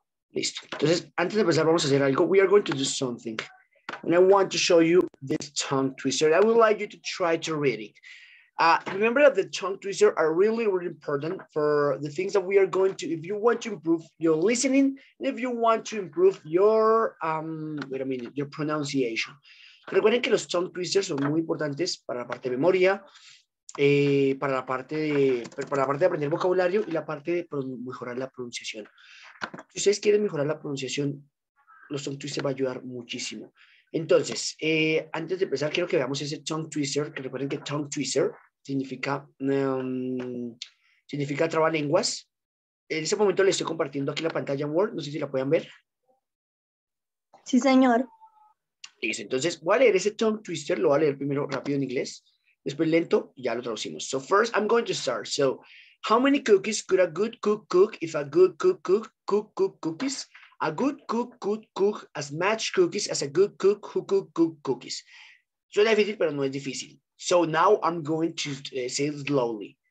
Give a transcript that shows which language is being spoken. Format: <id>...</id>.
<es>Listo. Entonces, antes de empezar, vamos a hacer algo.</es> <en>We are going to do something. And I want to show you this tongue twister. I would like you to try to read it. Remember that the tongue twister are really, really important for the things that we are going to, if you want to improve your listening, and if you want to improve your, wait a minute, your pronunciation.</en> <es>Recuerden que los tongue twisters son muy importantes para la parte de memoria. Para la parte de aprender vocabulario y la parte de mejorar la pronunciación. Si ustedes quieren mejorar la pronunciación, los tongue twisters va a ayudar muchísimo. Entonces, antes de empezar, quiero que veamos ese tongue twister, que recuerden que tongue twister significa, significa trabalenguas. En ese momento les estoy compartiendo aquí la pantalla en Word, no sé si la puedan ver. Sí, señor. Listo, entonces voy a leer ese tongue twister, lo voy a leer primero rápido en inglés. Después lento, ya lo traducimos.</es> <en>So first, I'm going to start. So, how many cookies could a good cook cook if a good cook cook cook cook cookies? A good cook could cook as much cookies as a good cook who cook cook cookies.</en> <es>Suena difícil, pero no es difícil.</es> <en>So now I'm going to say it slowly.</en>